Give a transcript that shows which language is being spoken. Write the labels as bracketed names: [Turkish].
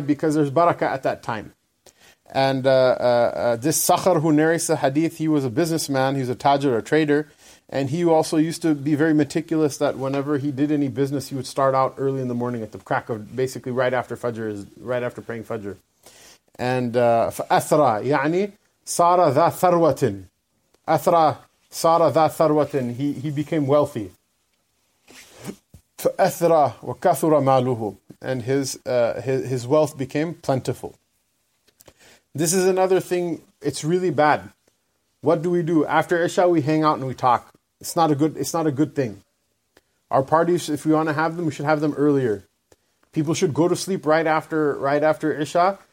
[English] Because there's barakah at that time. And this Sakhar who narrates the hadith, he was a businessman, he was a tajir, a trader, and he also used to be very meticulous that whenever he did any business, he would start out early in the morning at the crack of, basically right after praying Fajr. [Arabic] And فَأَثْرَى يَعْنِي سَارَ ذَا ثَرْوَةٍ أَثْرَى سَارَ ذَا ثَرْوَةٍ, [English] he became wealthy. [Arabic] فَأَثْرَى وَكَثُرَ مَالُهُ, [English] and his wealth became plentiful. This is another thing, it's really bad. What do? After Isha, we hang out and we talk. It's not a good thing. Our parties, if we want to have them, we should have them earlier. People should go to sleep right after Isha.